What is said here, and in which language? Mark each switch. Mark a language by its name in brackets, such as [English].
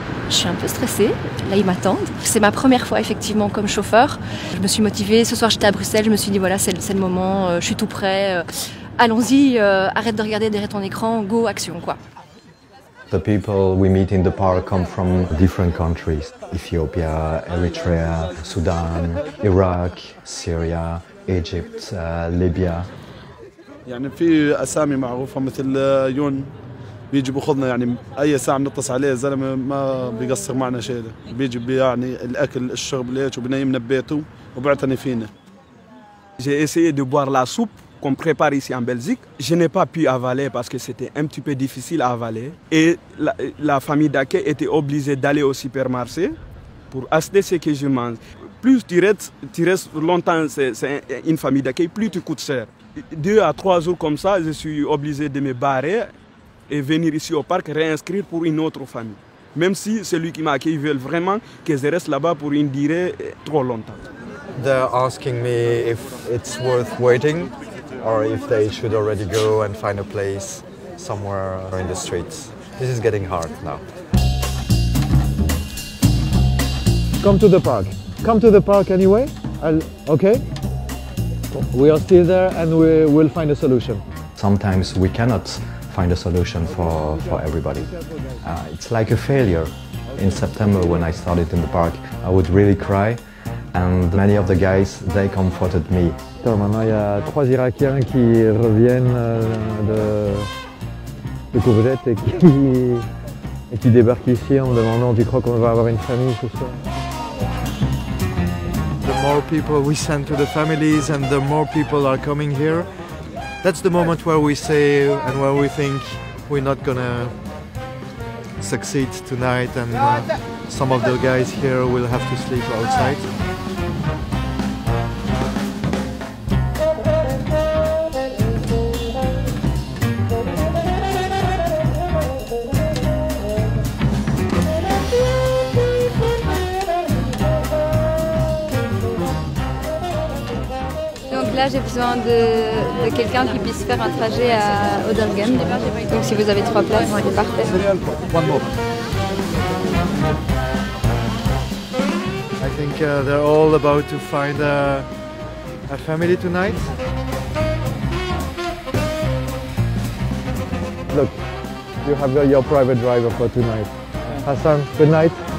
[French] Je suis un peu stressée, là ils m'attendent. C'est ma première fois effectivement comme chauffeur. Je me suis motivée, ce soir j'étais à Bruxelles, je me suis dit voilà c'est le moment, je suis tout prêt. Allons-y, arrête de regarder derrière ton écran, go action quoi. [English] The people we meet in the park come from different countries. Ethiopia, Eritrea, Sudan, Iraq, Syria, Egypt, Libya. [Arabic] يعني في أسامي معروفة مثل يون. بيجي بأخذنا يعني أي ساعة نتصل عليه زلمة ما بيقصر معنا شيء بيجي يعني الأكل الشرب ليش وبنيمنا ببيته وبعتني فينا. [French] J'ai essayé de boire la soupe qu'on prépare ici en Belgique. Je n'ai pas pu avaler parce que c'était un petit peu difficile à avaler. Et la famille d'Ake était obligée d'aller au supermarché pour acheter ce que je mange. Plus tu restes longtemps, c'est une famille d'accueil, plus tu coûtes cher. Deux à trois jours comme ça, je suis obligé de me barrer et venir ici au parc réinscrire pour une autre famille. Même si celui qui m'a accueilli veut vraiment que je reste là-bas pour une durée trop longtemps. [English] They're asking me if it's worth waiting or if they should already go and find a place somewhere in the streets. This is getting hard now. Come to the park. Come to the park anyway. Okay? We are still there and we will find a solution. Sometimes we cannot find a solution for everybody. It's like a failure. In September when I started in the park, I would really cry. And many of the guys, they comforted me. [French] Maintenant, il y a trois Irakiens qui reviennent de Courgette et qui débarquent ici en me demandant, tu crois qu'on va avoir une famille ce soir? [English] The more people we send to the families and the more people are coming here, that's the moment where we say and where we think we're not gonna succeed tonight and some of the guys here will have to sleep outside. [French] Là, j'ai besoin de quelqu'un qui puisse faire un trajet à Oderghem. Donc si vous avez trois places, c'est parfait. [English] One more. I think they're all about to find a family tonight. Look, you have your private driver for tonight. Hassan, good night.